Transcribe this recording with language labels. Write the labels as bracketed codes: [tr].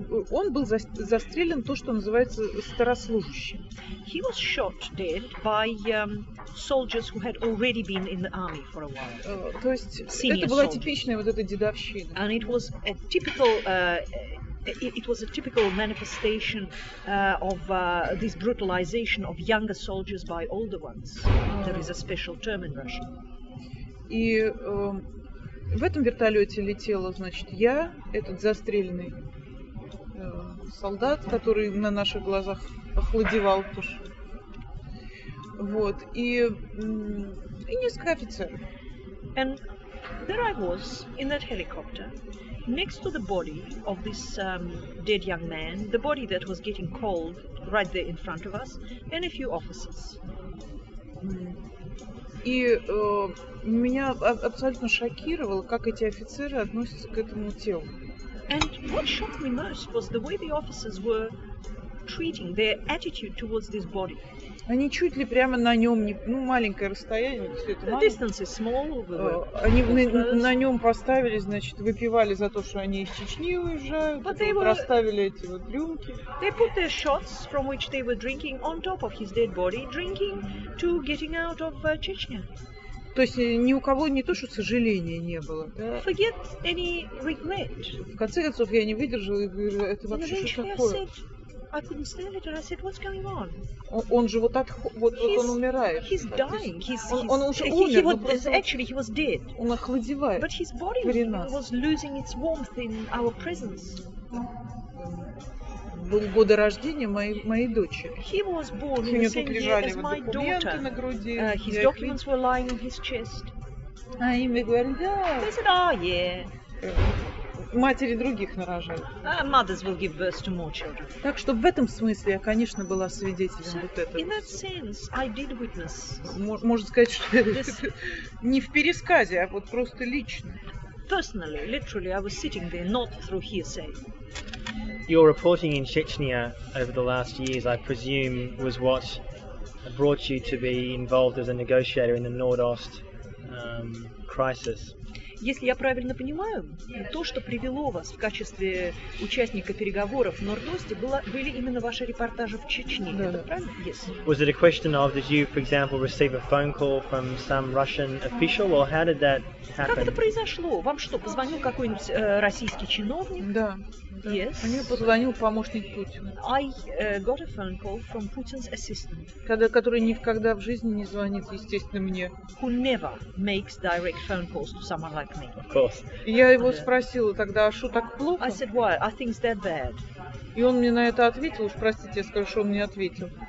[ru] Он был застрелен то, что называется старослужащим. [en] He was shot dead by soldiers who had already been in the army for a while. [ru] То есть [en] senior [ru] это была [en] soldiers. [ru] Типичная вот эта дедовщина. [en] And it was a typical it was a typical manifestation of this brutalization of younger soldiers by older ones. There is a special term in Russian. [ru] И в этом вертолете летела, значит, я, этот застреленный солдат, который на наших глазах охладевал тушь. Вот. И несколько офицеров. [en] And there I was in that helicopter, next to the body of this dead young man, the body that was getting cold right there in front of us, and a few officers. [ru] И меня абсолютно шокировало, как эти офицеры относятся к этому телу. [en] And what shocked me most was the way the officers were treating their attitude towards this body. [ru] Они чуть ли прямо на нем, ну маленькое расстояние, все это. [en] The distance is small. [ru] Они на нем поставили, значит, выпивали за то, что они из Чечни уезжают, расставили эти вот рюмки. [en] They put their shots from which they were drinking on top of his dead body, drinking to getting out of Chechnya. [ru] То есть ни у кого не то, что сожаления не было. Да? [en] Forget any regret. [ru] В конце концов, я не выдержала и говорю, это вообще что такое? [en] I couldn't stand it, and I said, "What's going on?" [ru] Он же вот так, вот он умирает. [en] He's dying. He's [ru] он уже умер. [en] Actually, he was dead. [ru] Он охладевает. [en] But his body was losing its warmth in our presence. [ru] Был годы рождения моей дочери. [en] He was born in the same year as my daughter. His documents were lying on his chest. [ru] А им и говорят, да. [en] They said, "Ah, yeah." [ru] Матери других нарожают. [en] Mothers will give birth to more children. [ru] Так что в этом смысле я, конечно, была свидетелем so, вот этого. [en] In that sense, I did witness. [ru] Можно сказать, что не в пересказе, а вот просто лично. [en] Personally, literally, I was sitting there, not through hearsay. Your reporting in Chechnya over the last years, I presume, was what brought you to be involved as a negotiator in the Nordost crisis. [ru] Если я правильно понимаю, то, что привело вас в качестве участника переговоров в Норд-Осте, были именно ваши репортажи в Чечне. Да. Это правильно? [en] Yes. Was it a question of, did you, for example, receive a phone call from some Russian official, or how did that happen? [ru] Как это произошло? Вам что, позвонил какой-нибудь российский чиновник? Да. [en] Yes. [ru] Мне позвонил помощник Путина. [en] I got a phone call from Putin's assistant. [ru] Который никогда в жизни не звонит, естественно, мне. [en] Who never makes direct phone calls to someone like me. Of course. [ru] И я его спросила тогда, а что так плохо? [en] I said, why? Are things that bad? [ru] И он мне на это ответил, уж простите, я скажу, что он мне ответил.